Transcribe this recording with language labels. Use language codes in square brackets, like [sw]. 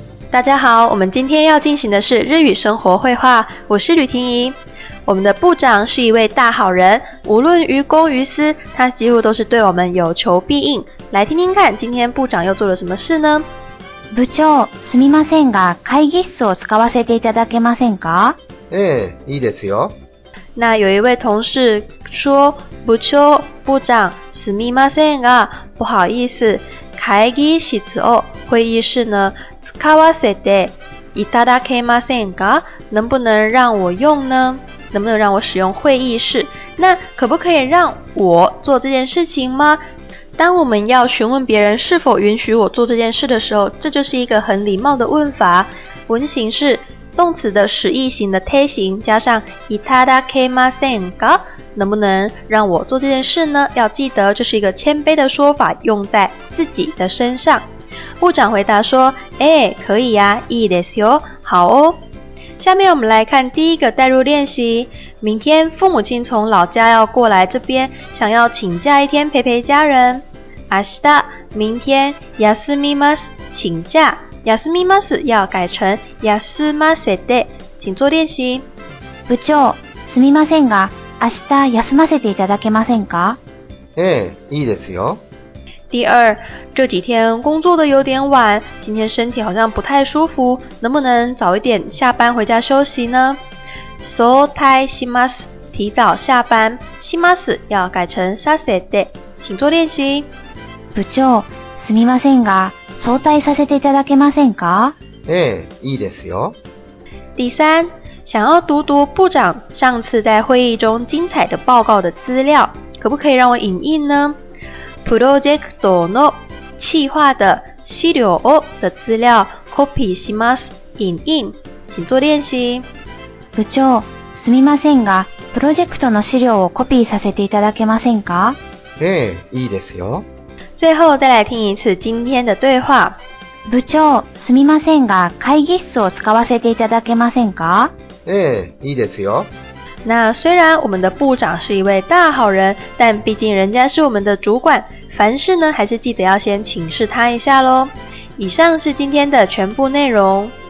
[zh] 大家好，我们今天要进行的是日语生活绘画，我是吕婷宜。我们的部长是一位大好人，无论于公于私，他几乎都是对我们有求必应。来听听看，今天部长又做了什么事呢？ [ja] 部長、すみませんが、会議室を使わせていただけませんか？ええ、いいですよ。 [zh] 那有一位同事说、 [ja] 部長、部長、すみませんが、 [zh] 不好意思、 [ja] 会議室を、会議室呢、使わせていただけませんか？ [zh] 能不能让我用呢？能不能让我使用会议室？那可不可以让我做这件事情吗？当我们要询问别人是否允许我做这件事的时候，这就是一个很礼貌的问法。文型是动词的使役型的贴形加上いただけませんか，能不能让我做这件事呢？要记得这是一个谦卑的说法，用在自己的身上。部长回答说，哎，可以呀， [ja] いいですよ， [zh] 好哦。下面我们来看第一个代入练习。明天父母亲从老家要过来这边，想要请假一天陪陪家人。明日，明天，休みます，请假。休みます要改成休ませて，请做练习。 [ja] 部長、すみませんが、明日休ませていただけませんか？ええ、いいですよ。 [zh] 第二，这几天工作的有点晚，今天身体好像不太舒服，能不能早一点下班回家休息呢？早退します，提早下班。します要改成させて，请做练习。 [ja] 部長、すみませんが、早退させていただけませんか？ええ、いいですよ。 [zh] 第三，想要读读部长上次在会议中精彩的报告的资料，可不可以让我影印呢？プロジェクトの企划的資料を的資料コピーします影印，请做練習。 [ja] 部長、すみませんが、プロジェクトの資料をコピーさせていただけませんか？ええ、いいですよ。 [zh] 最後再来听一次今天的对话。 [ja] 部長、すみませんが、会議室を使わせていただけませんか？ええ、いいですよ。 [zh] 那虽然我们的部长是一位大好人，但毕竟人家是我们的主管，凡事呢还是记得要先请示他一下咯。以上是今天的全部内容。